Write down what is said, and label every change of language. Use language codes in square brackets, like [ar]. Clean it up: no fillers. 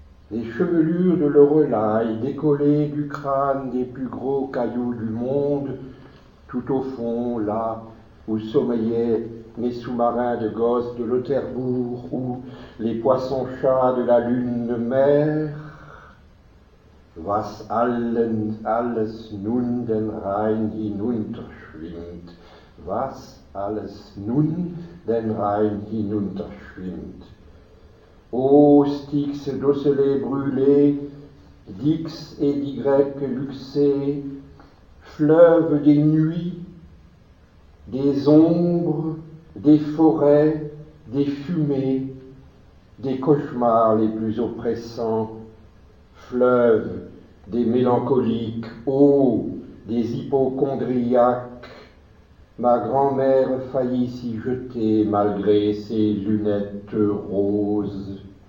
[fr] Les chevelures de Lorelai décollées du crâne des plus gros cailloux du monde, tout au fond, là où sommeillaient les sous-marins de gosses de Lauterbourg ou les poissons-chats de la lune mère. [de] Was alles nun den Rhein hinunterschwimmt, was alles nun den Rhein hinunterschwimmt. [fr] Ô Styx docelé brûlé, d'X et d'Y luxé, fleuve des nuits, des ombres, des forêts, des fumées, des cauchemars les plus oppressants, fleuve des mélancoliques, eau des hypochondriaques, ma grand-mère faillit s'y jeter malgré ses lunettes roses.